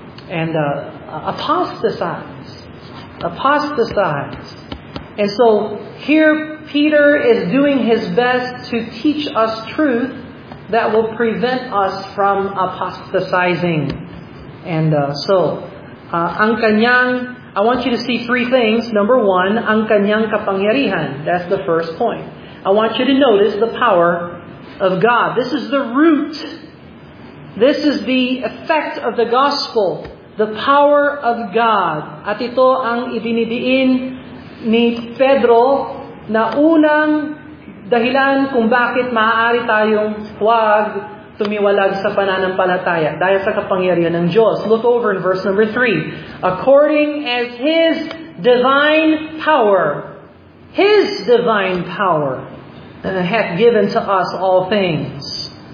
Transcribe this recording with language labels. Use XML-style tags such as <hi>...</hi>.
<en>And apostatize. And so here Peter is doing his best to teach us truth that will prevent us from apostatizing. And</en> <tl>ang kanyang,</tl> <en>I want you to see three things. Number one,</en> <tl>ang kanyang kapangyarihan.</tl> <en>That's the first point. I want you to notice the power of God. This is the root. This is the effect of the gospel. The power of God.</en> <tl>At ito ang ibinibigin ni Pedro na unang dahilan kung bakit maaari tayong huwag tumiwalag sa pananampalataya dahil sa kapangyarihan ng Diyos.</tl> <en>Look over in verse number 3. According as His divine power, His divine power hath given to us all things.</en>